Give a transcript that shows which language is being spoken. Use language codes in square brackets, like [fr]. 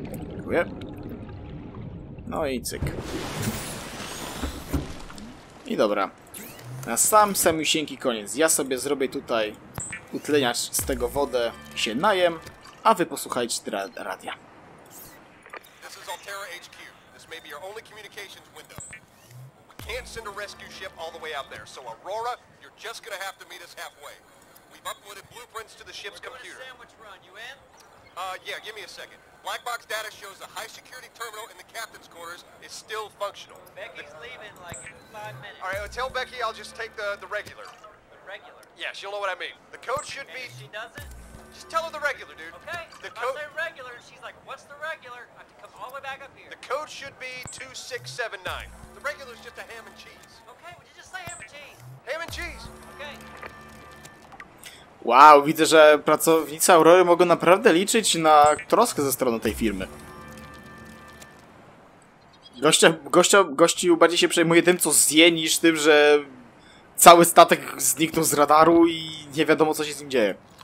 [pl] Dziękuję. No i cyk. I dobra. Na sam samusieńki koniec. Ja sobie zrobię tutaj utleniacz z tego wodę, się najem, a wy posłuchajcie radia. [en] This is Altera HQ. This may be your only communications window. We can't send a rescue ship all the way out there, so Aurora, you're just gonna have to meet us halfway. We've uploaded blueprints to the ship's computer. We're doing a sandwich run, you in? Yeah, give me a second. Black box data shows the high security terminal in the captain's quarters is still functional. Becky's leaving like in 5 minutes. All right, well, tell Becky I'll just take the regular. The regular? Yeah, she'll know what I mean. The code should be... she doesn't? Just tell her the regular, dude. Okay, the code. I say regular, and she's like, what's the regular? I have to come all the way back up here. The code should be 2679. The regular's just a ham and cheese. Okay, would you just say ham and cheese? Ham and cheese. Okay. [pl] Wow, widzę, że pracownicy Aurory mogą naprawdę liczyć na troskę ze strony tej firmy. Gościu bardziej się przejmuje tym, co zje, niż tym, że cały statek zniknął z radaru i nie wiadomo, co się z nim dzieje.